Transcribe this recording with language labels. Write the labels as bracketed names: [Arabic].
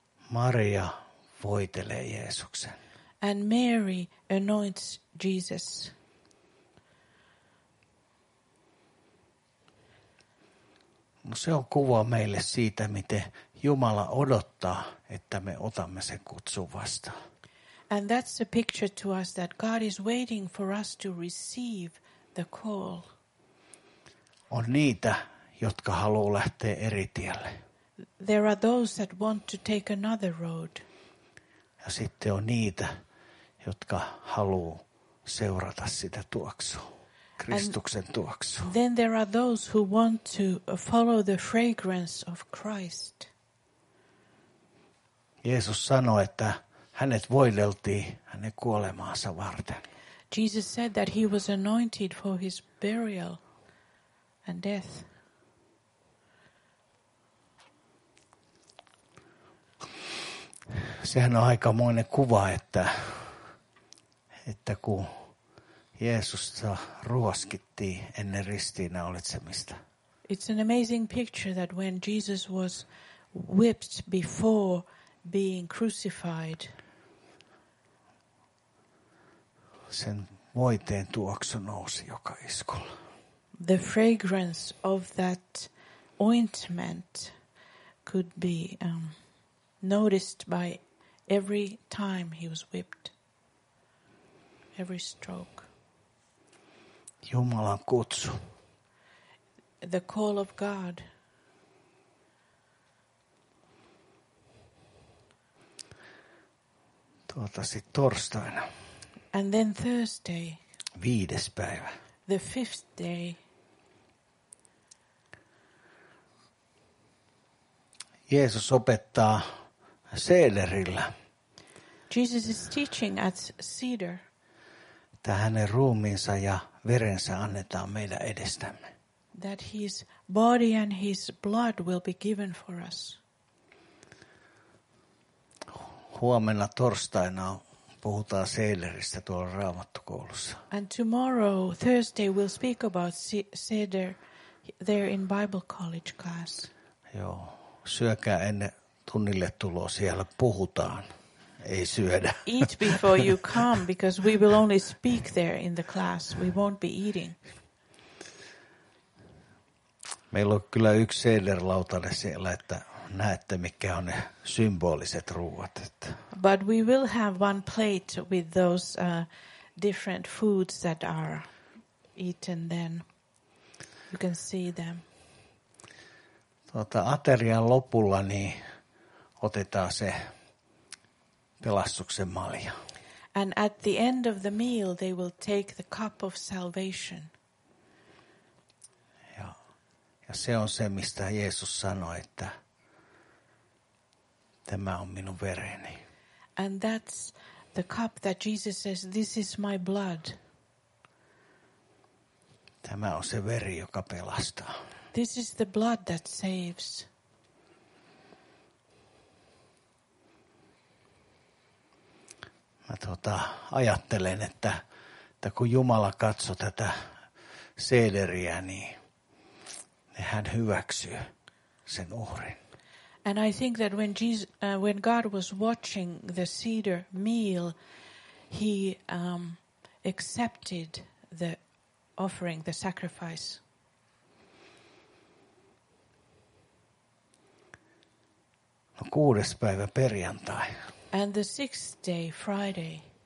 [Finnish] Maria voitelee Jeesuksen. [English] And Mary anoints Jesus. [Finnish] No se on kuva meille siitä, miten Jumala odottaa, että me otamme sen kutsun vastaan. [English] And that's a picture to us that God is waiting for us to receive the call. [Finnish] On niitä, jotka haluaa lähteä eri tielle. [English] There are those that want to take another road. [Finnish] Ja sitten on niitä, jotka haluaa seurata sitä tuoksua. Kristuksen tuoksu. [English] Then there are those who want to follow the fragrance of Christ. [Finnish] Jeesus sanoi, että hänet voideltiin hänen kuolemaansa varten. [English] Jesus said that he was anointed for his burial and death. [Finnish] Sehän on aikamoinen kuva, että kun Jeesusta ruoskittiin ennen ristiinnaulitsemista. [English] It's an amazing picture that when Jesus was whipped before being crucified, [Finnish] sen voiteen tuoksu nousi joka iskulla. [English] The fragrance of that ointment could be noticed by every time he was whipped, every stroke. [Finnish] Jumalan kutsu. [English] The call of God. [Finnish] Tuota sitten torstaina. [English] And then Thursday. [Finnish] Viides päivä. [English] the fifth day. [Finnish] Jeesus opettaa seederillä. [English] Jesus is teaching at cedar. [Finnish] Tää hänen ruumiinsa ja verensä annetaan meidän edestämme. [English] That his body and his blood will be given for us. [Finnish] Huomenna torstaina puhutaan seederistä tuolla Raamattukoulussa. [English] And tomorrow, Thursday, we'll speak about seder there in Bible College class. [Finnish] Joo, syökää ennen tunnille tuloa, siellä puhutaan, ei syödä. [English] Eat before you come, because we will only speak there in the class, we won't be eating. [Finnish] Meillä on kyllä yksi seederlautalle siellä, että näette, mikä on ne symboliset ruuat. [English] But we will have one plate with those different foods that are eaten then. You can see them. [Finnish] Aterian lopulla niin otetaan se pelastuksen malja. [English] And at the end of the meal they will take the cup of salvation. [Finnish] Ja se on se, mistä Jeesus sanoi, että tämä on minun vereni. [English] And that's the cup that Jesus says, this is my blood. [Finnish] Tämä on se veri, joka pelastaa. [English] This is the blood that saves. [Finnish] Mä ajattelen, että kun Jumala katsoo tätä seederiä, niin hän hyväksyy sen uhrin. [English] And I think that when Jesus, when God was watching the cedar meal, he accepted the offering, the sacrifice. [Finnish] No, kuudes päivä perjantai. [English] And the sixth day, Friday.